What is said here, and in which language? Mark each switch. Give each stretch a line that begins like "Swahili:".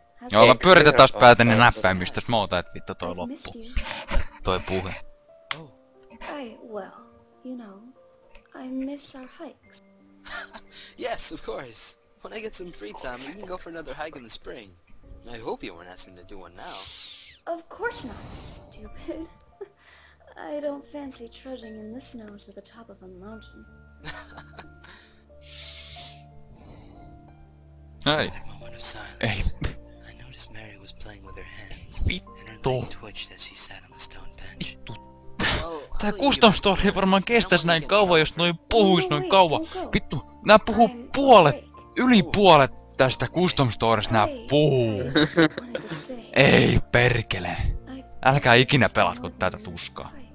Finnish: Joo, mä pyöritän taas päätäni näppäimistös. Mä ootan, et vittu toi loppu. Toi puhe.
English: I, well, you know, I miss our hikes. Yes, of course. When I get some free time, we can go for another hike in the spring. I hope you weren't asking to do one now. Of course not, stupid. I don't fancy trudging in the snow to the top of a mountain. Hey. In a moment of silence, I noticed Mary was playing with her hands, and her leg twitched as she sat on the stone bench.
Finnish: Tää custom story ei varmaan kestäis näin kauan, jos noin puhuis noin kauan. Vittu, nää puhuu puolet, yli puolet tästä custom storista nää puhuu. Ei perkele. Älkää ikinä pelatko tätä tuskaa.